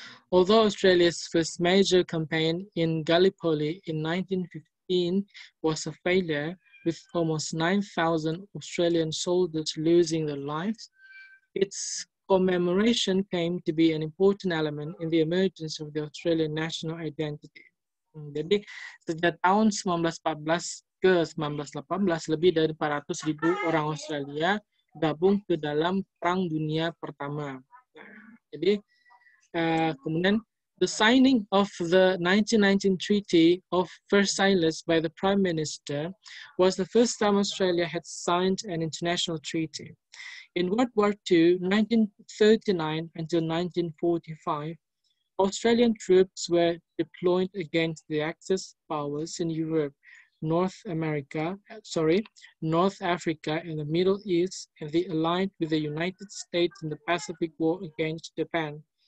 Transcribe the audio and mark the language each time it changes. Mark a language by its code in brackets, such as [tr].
[en] Although Australia's first major campaign in Gallipoli in 1915 was a failure, with almost 9,000 Australian soldiers losing their lives, its commemoration came to be an important element in the emergence of the Australian national identity. [id] Jadi, sejak tahun 1914 ke 1918, lebih dari 400,000 orang Australia gabung ke dalam Perang Dunia Pertama. Jadi, kemudian, [en] the signing of the 1919 Treaty of Versailles by the Prime Minister was the first time Australia had signed an international treaty. In World War II, 1939 until 1945, Australian troops were deployed against the Axis powers in Europe, North Africa and the Middle East, and they aligned with the United States in the Pacific War against Japan.